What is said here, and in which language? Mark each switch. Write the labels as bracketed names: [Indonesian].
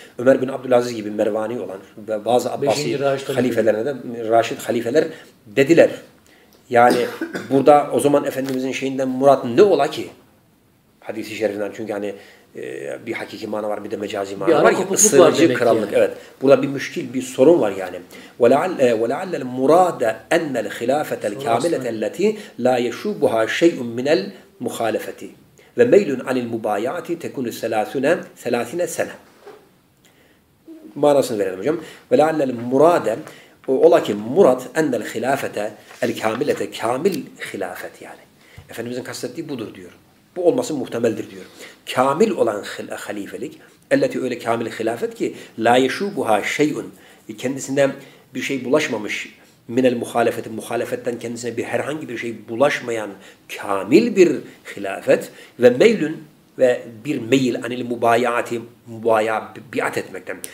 [Turkish] Ömer bin Abdülaziz gibi Mervani olan ve bazı Abbasi halifelerine de Raşid halifeler dediler. Yani burada o zaman Efendimizin şeyinden murat ne ola ki? Hadis-i şerifinden çünkü hani bir hakiki mana var, bir de mecazi mana var ki ısırıcı krallık. Yani. Evet. Burada bir müşkil, bir sorun var yani. [Arabic] وَلَعَلَّ الْمُرَادَ اَنَّ الْخِلَافَةَ الْكَامِلَةَ الَّتِي لَا يَشُوبُهَا شَيْءٌ مِنَ الْمُخَالَفَةِ وَمَيْلٌ عَنِ الْمُبَايَعَةِ تَكُنُ سَلَاثُنَا سَلَاثِنَ سَنَا [Turkish] Manasını verelim hocam. [Arabic] وَلَعَلَّ الْمُرَادَ [Turkish] Ola ki murat [Arabic] اَنَّ الْخِلَافَةَ الْكَامِلَةَ كَامِلْ خِلَافَةِ yani. [Turkish] Efendimizin kastettiği budur diyor. Bu olması muhtemeldir diyor. Kamil olan halifelik, elleti öyle kamil hilafet ki, [Arabic] la yeşubuha şeyun, [Turkish] kendisinden bir şey bulaşmamış, [Arabic] minel muhalefeti, [Turkish] muhalefetten kendisine bir herhangi bir şey bulaşmayan kamil bir hilafet ve meylün ve bir meyil [Arabic] anil mubayaati, [Turkish] mubaya biat etmekten.